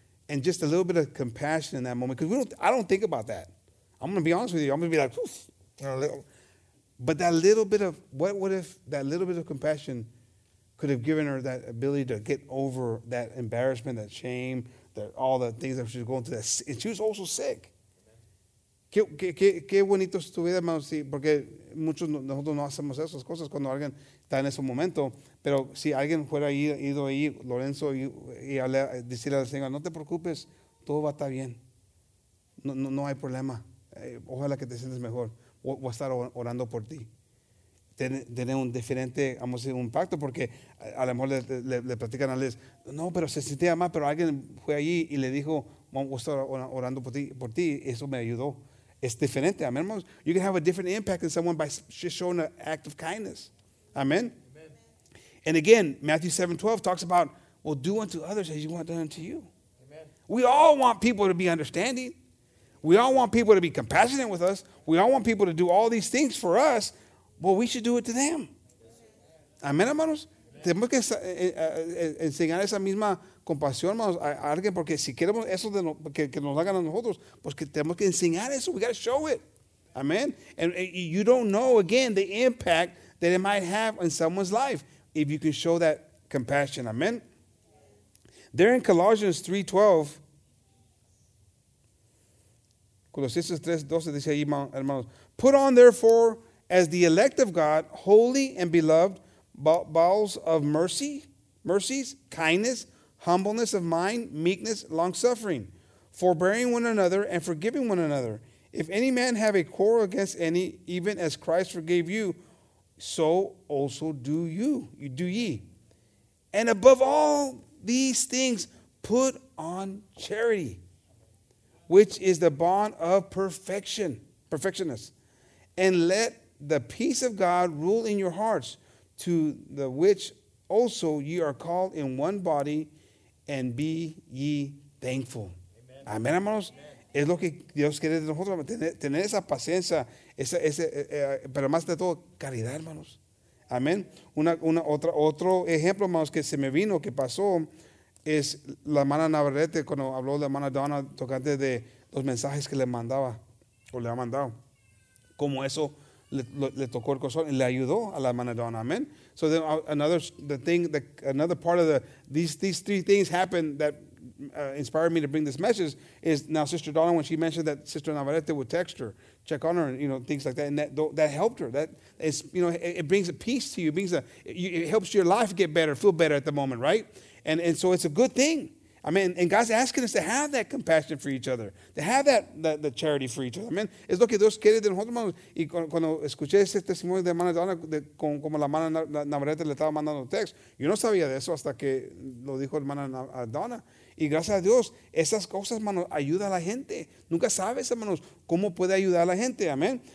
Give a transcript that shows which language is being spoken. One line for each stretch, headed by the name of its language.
English: And just a little bit of compassion in that moment. Because I don't think about that. I'm going to be honest with you. I'm going to be like, "Oof." But that little bit of, what if that little bit of compassion could have given her that ability to get over that embarrassment, that shame, that all the things that she was going through. And she was also sick.
Spanish: Qué bonito es tu vida, hermano, sí, porque muchos de nosotros no hacemos esas cosas cuando alguien está en ese momento. Pero si alguien fuera ido ahí, Lorenzo, y decirle al Señor, "No te preocupes, todo va a estar bien. No hay problema. Ojalá que te sientas mejor. Voy a estar orando por ti." Tener un diferente, vamos a decir, un pacto, porque a lo mejor le platican a Liz, "No, pero se sentía mal, pero alguien fue allí y le dijo, voy a estar orando por ti, eso me ayudó." Es diferente, amén, hermanos.
English: You can have a different impact than someone by just showing an act of kindness. Amen. And again, Matthew 7:12 talks about, "Well, do unto others as you want done unto you." Amen. We all want people to be understanding. We all want people to be compassionate with us. We all want people to do all these things for us. Well, we should do it to them.
Spanish: Amén, hermanos. Tenemos que enseñar esa misma compasión, hermanos, a alguien, porque si queremos eso de que nos hagan a nosotros, pues que tenemos que enseñar eso.
English: We got to show it. Amen. And you don't know, again, the impact that it might have on someone's life if you can show that compassion. Amen. There in Colossians 3:12, Colossians 3:12
Spanish: dice ahí, hermanos,
English: "Put on, therefore, as the elect of God, holy and beloved, bowels of mercies, kindness, humbleness of mind, meekness, long-suffering, forbearing one another and forgiving one another. If any man have a quarrel against any, even as Christ forgave you, so also do ye. And above all these things, put on charity, which is the bond of perfectionist. And let the peace of God rule in your hearts, to the which also ye are called in one body, and be ye thankful."
Spanish: Amen, amen, hermanos. Amen. Es lo que Dios quiere de nosotros, tener esa paciencia, pero más de todo, caridad, hermanos. Amén. Otro ejemplo, hermanos, que se me vino, que pasó, es la hermana Navarrete, cuando habló la hermana Donna tocante de los mensajes que le mandaba, o le ha mandado, cómo eso le tocó el corazón y le ayudó a la hermana Donna. Amen.
English: So then another the thing the another part of the these three things happened that inspired me to bring this message is now Sister Donna, when she mentioned that Sister Navarrete would text her, check on her, and you know, things like that, and that helped her. That is, you know, it brings a peace to you. It helps your life get better, feel better at the moment, right? And so it's a good thing. I mean, and God's asking us to have that compassion for each other, to have the charity for each other. I mean,
Spanish: es lo que Dios quiere de nosotros, hermanos. Y cuando escuché ese testimonio de hermana Donna, como la hermana Navarrete le estaba mandando text, yo no sabía de eso hasta que lo dijo hermana Donna. Y gracias a Dios, esas cosas, hermanos, ayudan a la gente. Nunca sabes, hermanos, cómo puede ayudar a la gente. Amén.